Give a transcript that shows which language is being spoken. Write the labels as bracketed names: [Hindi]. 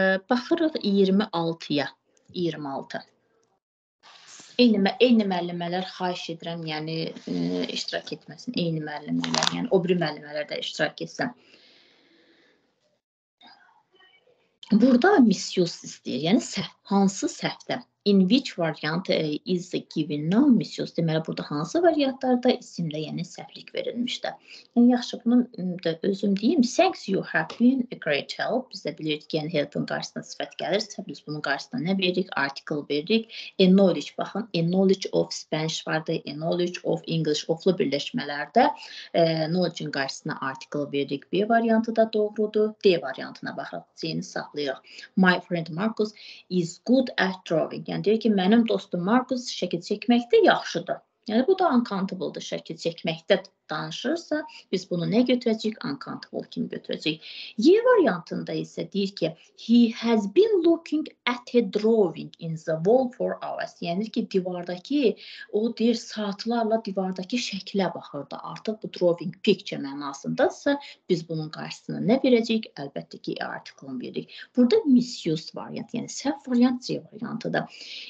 [Azerbaijani] Baxırıq 26-ya. 26. Eyni müəllimələr xahiş edirəm, yəni iştirak etməsin. Eyni müəllimələr, yəni obri müəllimələr də iştirak etsəm. Burada misyus istəyir, yəni hansı səhvdə? [English] In which variant is the given noun misuse? [Azerbaijani] Deməli, burada hansı variantlarda isimdə, yəni səhvlik verilmişdir. Yəni, yaxşı, bunu da özüm deyim. [English] Thanks, you have been a great help. [Azerbaijani] Biz də bilirik, yəni, helpin qarşısına sifət gəlirsə, biz bunun qarşısına nə veririk? Article veririk. A knowledge, baxın, [English] a knowledge of Spanish [Azerbaijani] vardır, [English] a knowledge of English [Azerbaijani] oflu birləşmələrdə. Knowledge-in qarşısına article veririk. B variantı da doğrudur. D variantına baxıq, C-ni saxlayıq. [English] My friend Marcus is good at drawing. [Azerbaijani] Yəni, deyir ki, mənim dostum Marcus şəkil çəkməkdə yaxşıdır. Yəni, bu da uncountable-dır şəkil çəkməkdə danışırsa, biz bunu nə götürəcəyik? Uncountable kimi götürəcəyik. Y variantında isə deyir ki, [English] he has been looking at a drawing in the wall for hours. [Azerbaijani] Yəni ki, divardakı, o deyir, saatlarla divardakı şəkilə baxırdı. Artıq bu drawing picture mənasındadırsa, biz bunun qarşısına nə verəcəyik? Əlbəttə ki, artıqla veririk. Burada misused variant, yəni səhv variant C variantıdır.